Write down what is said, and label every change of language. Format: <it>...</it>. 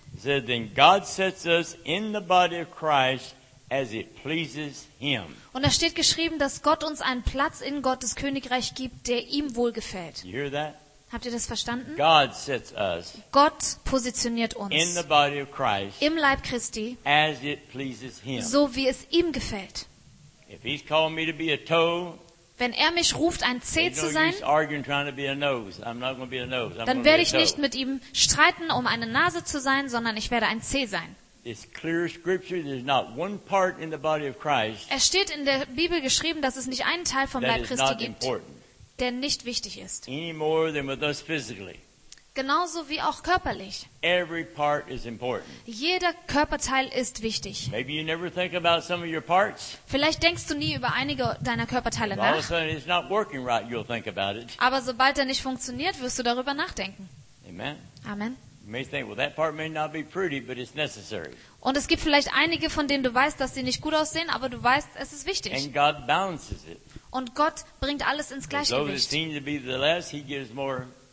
<en>said, then God sets us in the body of Christ as it pleases him.</en> <de>Und da steht geschrieben, dass Gott uns einen Platz in Gottes Königreich gibt, der ihm wohlgefällt.</de> <en>You hear that?</en> <de>Habt ihr das verstanden?</de> <en>God sets us,</en> <de>Gott positioniert uns</de> <en>in the body of Christ,</en> <de>im Leib Christi,</de> <en>as it pleases him.</en> <de>So wie es ihm gefällt.</de> <en>If he's calling me to be a toe,</en> <de>wenn er mich ruft, ein Zeh zu sein, dann werde ich nicht mit ihm streiten, um eine Nase zu sein, sondern ich werde ein Zeh sein. Es steht in der Bibel geschrieben, dass es nicht einen Teil vom Leib Christi gibt, der nicht wichtig ist. Genauso wie auch körperlich.</de> <en>Every part is important.</en> <de>Jeder Körperteil ist wichtig.</de> <en>Maybe you never think about some of your parts.</en> <de>Vielleicht denkst du nie über einige deiner Körperteile nach.</de> <en>All of a sudden it's not working right, you'll think about it.</en> <de>Aber sobald er nicht funktioniert, wirst du darüber nachdenken.</de> <en>Amen.</en> <de>Amen.</de> <en>You may think, well, that part may not be pretty, but it's necessary.</en> <de>Und es gibt vielleicht einige, von denen du weißt, dass sie nicht gut aussehen, aber du weißt, es ist wichtig.</de> <en>And God balances it.</en> <de>Und Gott bringt alles ins Gleichgewicht.</de> <en>Those that seem to be the less, he gives more.</en>